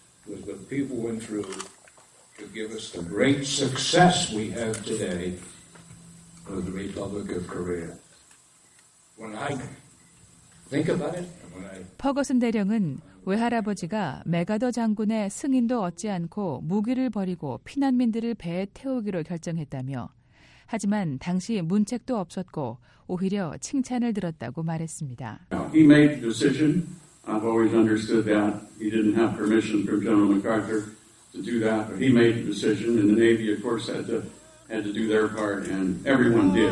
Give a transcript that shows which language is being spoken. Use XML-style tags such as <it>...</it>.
<en>that the people went through to give us the great success we have today of the Republic of Korea. When I think about it,</en> <ko>퍼거슨 대령은 외할아버지가 맥아더 장군의 승인도 얻지 않고 무기를 버리고 피난민들을 배에 태우기로 결정했다며 하지만 당시 문책도 없었고 오히려 칭찬을 들었다고 말했습니다.</ko> <en>He made the decision. I've always understood that. He didn't have permission from General MacArthur to do that, but he made the decision and the Navy, of course, had to do their part and everyone did.</en>